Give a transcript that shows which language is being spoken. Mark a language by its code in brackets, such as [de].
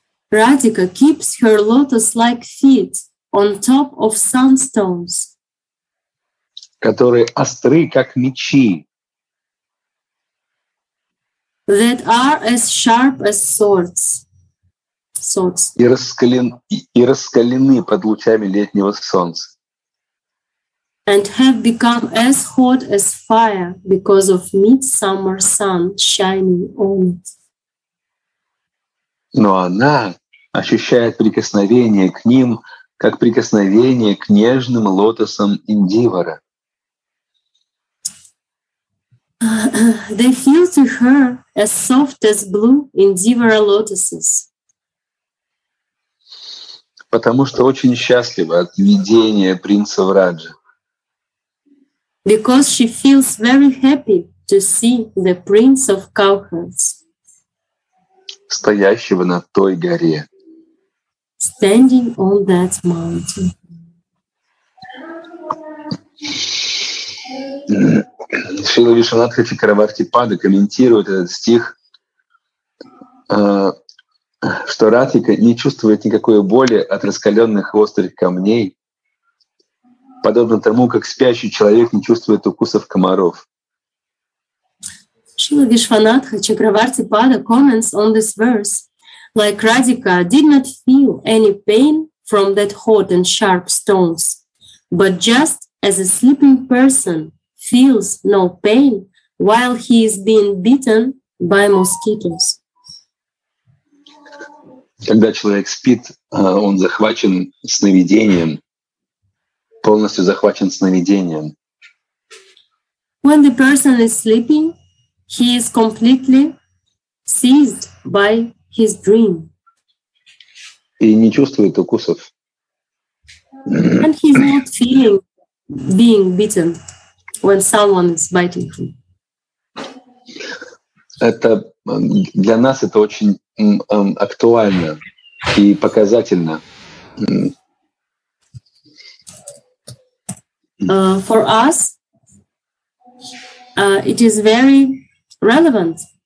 [en] Radhika keeps her lotus-like feet on top of sunstones, [ru] которые остры, как мечи, [en] that are as sharp as swords. [ru] И раскалены под лучами летнего солнца. [en] And have become as hot as fire because of midsummer sun shining on it. [ru] Но она ощущает прикосновение к ним, как прикосновение к нежным лотосам Индивара. [en] They feel to her as soft as blue Indivara lotuses. [ru] Потому что очень счастлива от видения принца Враджа. [en] Because she feels very happy to see the prince of cowherds. [ru] Стоящего на той горе. [en] Standing on that mountain. [ru] Шрила Вишванатха Чакраварти Пада комментирует этот стих, что Радхика не чувствует никакой боли от раскаленных острых камней, подобно тому, как спящий человек не чувствует укусов комаров. [en] Шрила Вишванатха Чакраварти Пада comments on this verse. Like Radhika did not feel any pain from that hot and sharp stones, but just as a sleeping person feels no pain while he is being bitten by mosquitoes. [ru] Когда человек спит, он захвачен сновидением, полностью захвачен сновидением. [en] When the person is sleeping, he is completely seized by his dream. [ru] И не чувствует укусов. [en] And he's not feeling being bitten when someone is biting him. [ru] Это для нас это очень актуально и показательно. [en] For us, it is very relevant.